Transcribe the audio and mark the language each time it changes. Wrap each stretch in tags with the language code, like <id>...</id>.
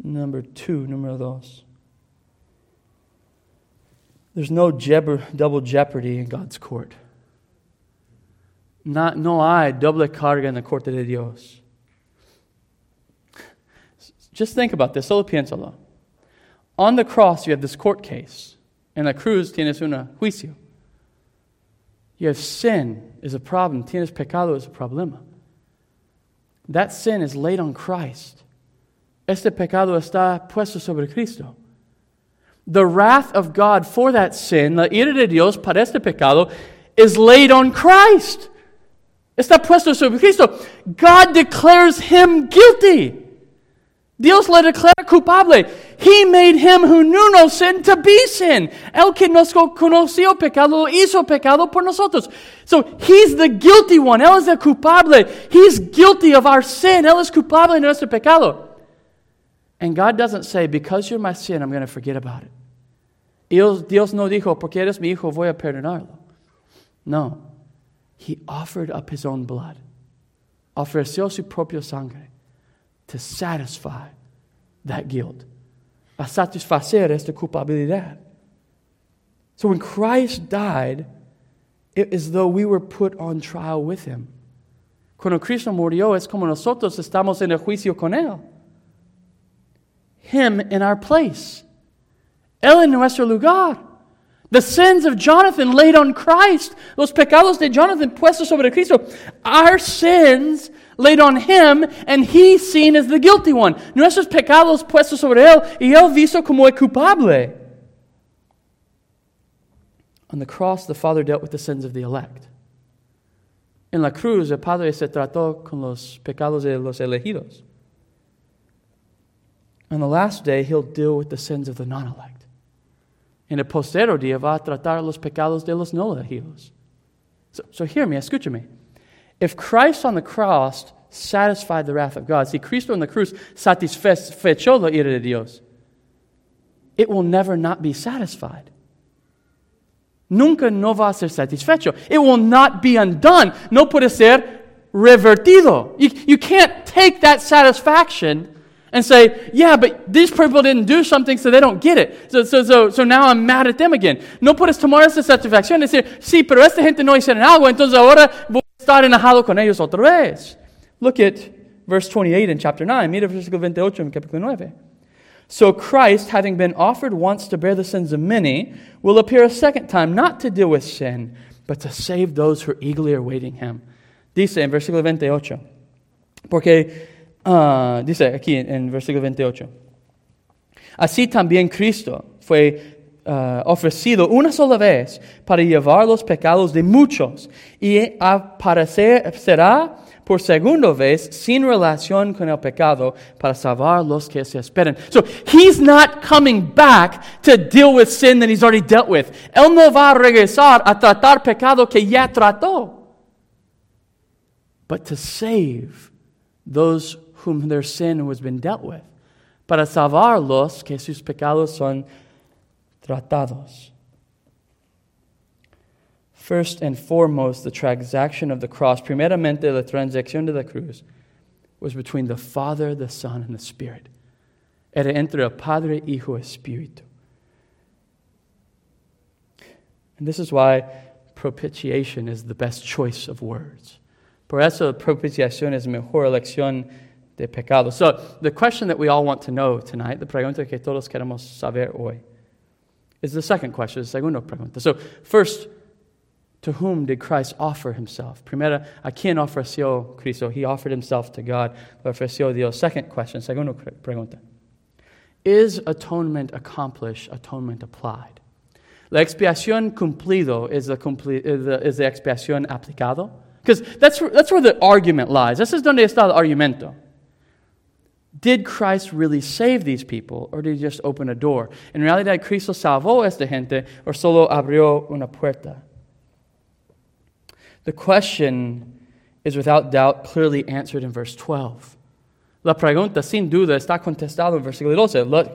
<es>Número dos.</es> <en>There's no double jeopardy in God's court.</en> <es>No hay doble carga en la corte de Dios.</es> <en>Just think about this.</en> <es>Solo piénsalo.</es> <en>On the cross, you have this court case.</en> <es>En la cruz, tienes un juicio.</es> <en>You have sin is a problem.</en> <es>Tienes pecado</es> <en>is a problema. That sin is laid on Christ.</en> <es>Este pecado está puesto sobre Cristo.</es> <en>The wrath of God for that sin,</en> <es>la ira de Dios para este pecado,</es> <en>is laid on Christ.</en> <es>Está puesto sobre Cristo.</es> <en>God declares him guilty.</en> <es>Dios le declara culpable.</es> <en>He made him who knew no sin to be sin.</en> <es>El que no conoció pecado hizo pecado por nosotros.</es> <en>So he's the guilty one.</en> <es>Él es el culpable.</es> <en>He's guilty of our sin.</en> <es>Él es culpable de nuestro pecado.</es> <en>And God doesn't say, because you're my sin, I'm going to forget about it.</en> <es>Dios no dijo, porque eres mi hijo, voy a perdonarlo.</es> <en>No. He offered up his own blood.</en> <es>Ofreció su propia sangre</es> <en>to satisfy that guilt.</en> <es>A satisfacer esta culpabilidad.</es> <en>So when Christ died, it is though we were put on trial with him.</en> <es>Cuando Cristo murió, es como nosotros estamos en el juicio con él.</es> <en>Him in our place.</en> <es>Él en nuestro lugar.</es> <en>The sins of Jonathan laid on Christ.</en> <es>Los pecados de Jonathan puestos sobre Cristo.</es> <en>Our sins laid on him, and he seen as the guilty one.</en> <es>Nuestros pecados puestos sobre él, y él visto como el culpable.</es> <en>On the cross, the Father dealt with the sins of the elect.</en> <es>En la cruz, el Padre se trató con los pecados de los elegidos.</es> <en>On the last day, he'll deal with the sins of the non-elect.</en> <es>En el postero día, va a tratar los pecados de los no elegidos.</es> <en>So hear me,</en> <es>escúchame.</es> <en>If Christ on the cross satisfied the wrath of God,</en> <es>si Cristo en la cruz satisfechó la ira de Dios,</es> <en>it will never not be satisfied.</en> <es>Nunca no va a ser satisfecho.</es> <en>It will not be undone.</en> <es>No puede ser revertido.</es> <en>You can't take that satisfaction and say, yeah, but these people didn't do something, so they don't get it. So now I'm mad at them again.</en> <es>No puedes tomar esa satisfacción y decir, sí, pero esta gente no hicieron algo, entonces ahora voy a estar enojado con ellos otra vez.</es> <en>Look at verse 28 in chapter 9.</en> <es>Mira versículo 28 en capítulo 9.</es> <en>So Christ, having been offered once to bear the sins of many, will appear a second time, not to deal with sin, but to save those who are eagerly awaiting him.</en> <es>Dice en versículo 28. Porque, dice aquí en versículo 28. Así también Cristo fue ofrecido una sola vez para llevar los pecados de muchos, y aparecerá por segunda vez, sin relación con el pecado, para salvar los que se esperan.</es> <en>So, he's not coming back to deal with sin that he's already dealt with.</en> <es>Él no va a regresar a tratar pecado que ya trató.</es> <en>But to save those whom their sin has been dealt with.</en> <es>Para salvar los que sus pecados son tratados.</es> <en>First and foremost, the transaction of the cross,</en> <es>primeramente la transacción de la cruz,</es> <en>was between the Father, the Son, and the Spirit.</en> <es>Era entre el Padre, Hijo, Espíritu.</es> <en>And this is why propitiation is the best choice of words.</en> <es>Por eso propiciación es mejor elección de pecado.</es> <en>So the question that we all want to know tonight, the</en> <es>pregunta que todos queremos saber hoy,</es> <en>is the second question, the</en> <es>segunda pregunta.</es> <en>So first, to whom did Christ offer himself?</en> <es>Primera, ¿a quién ofreció Cristo?</es> <en>He offered himself to God.</en> <es>Ofreció Dios.</es> <en>Second question,</en> <es>segunda pregunta.</es> <en>Is atonement accomplished, atonement applied?</en> <es>La expiación cumplido is the expiación aplicado.</es> <en>Because that's where the argument lies. This is</en> <es>donde está el argumento.</es> <en>Did Christ really save these people, or did he just open a door?</en> <es>En realidad, Cristo salvó esta gente, or solo abrió una puerta.</es> <en>The question is without doubt clearly answered in verse 12.</en> <es>La pregunta sin duda está contestada en versículo 12.</es>